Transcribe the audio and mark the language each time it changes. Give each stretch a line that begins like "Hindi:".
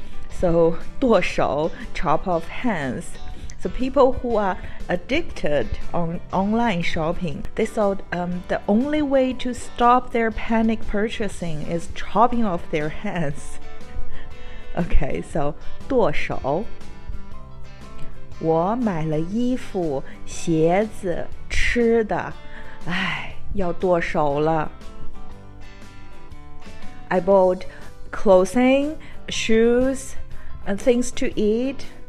English: So, 剁手, chop off hands. So people who are addicted on online shopping, they thought the only way to stop their panic purchasing is chopping off their hands. Okay, so
Chinese: 剁手。我买了衣服、鞋子、吃的，唉，要剁手了。
English: I bought clothing, shoes, and things to eat.